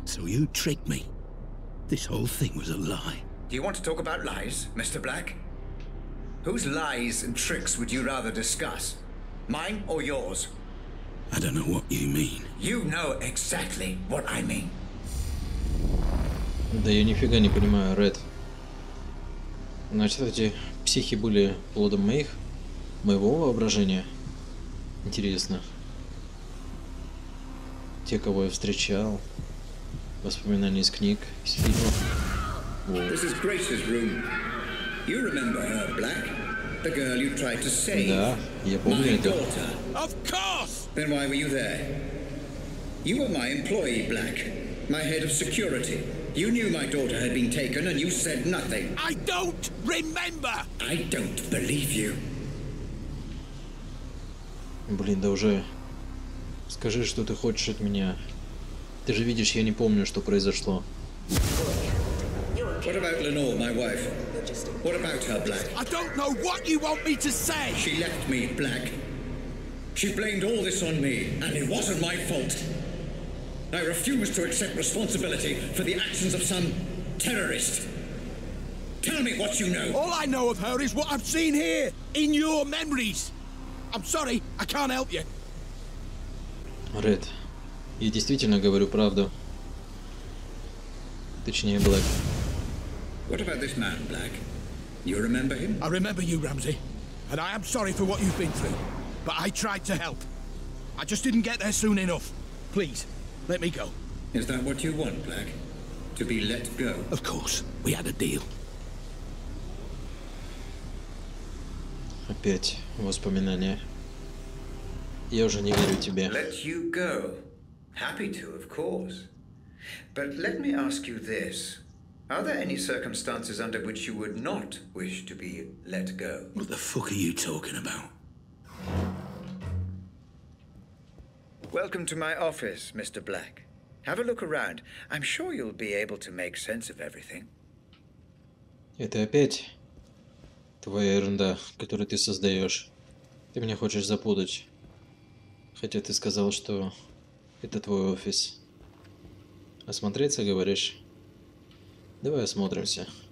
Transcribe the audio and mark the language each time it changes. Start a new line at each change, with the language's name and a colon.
English: So you tricked me. This whole thing was a lie. Do you want to talk about lies, Mr. Black? Whose lies and tricks would you rather discuss? Mine or yours? I don't know what you mean. You know exactly what I mean.
Russian: Да я нифига не понимаю, Ред. Значит, эти психи были плодом моего воображения. Интересно. Те, кого я встречал. Воспоминания из книг, из фильмов.
English: This is Grace's room. You remember her, Black. The girl you tried to save.
Russian: Да, я помню
English: my
Russian: это.
English: Daughter. Of course! Then why were you there? You were my employee, Black. My head of security. You knew my daughter had been taken, and you said nothing. I don't remember! I don't believe you.
Russian: Блин, да уже... Скажи, что ты хочешь от меня. Ты же видишь, я не помню, что произошло.
English: What about Lenore, my wife? What about her, Black? I don't know what you want me to say! She left me, Black. She blamed all this on me, and it wasn't my fault. I refuse to accept responsibility for the actions of some terrorist. Tell me what you know. All I know of her is what I've seen here, in your memories. I'm sorry, I can't help you.
Russian: Ред, я действительно говорю правду. Точнее, Блэк.
English: What about this man, Black? You remember him? I remember you, Рамзи. And I am sorry for what you've been through. But I tried to help. I just didn't get there soon enough. Please. Let me go. Is that what you want, Black? To be let go? Of course. We had a deal.
Russian: Опять воспоминания. Я уже не верю тебе.
English: Let you go. Happy to, of course. But let me ask you this. Are there any circumstances under which you would not wish to be let go? What the fuck are you talking about? Welcome to my office, Mr. Black. Have a look around. I'm sure you'll be able to make sense of everything.
Russian: Это опять твоя ерунда, которую ты создаешь. Ты меня хочешь запутать. Хотя ты сказал, что это твой офис. Осмотреться, говоришь? Давай осмотримся.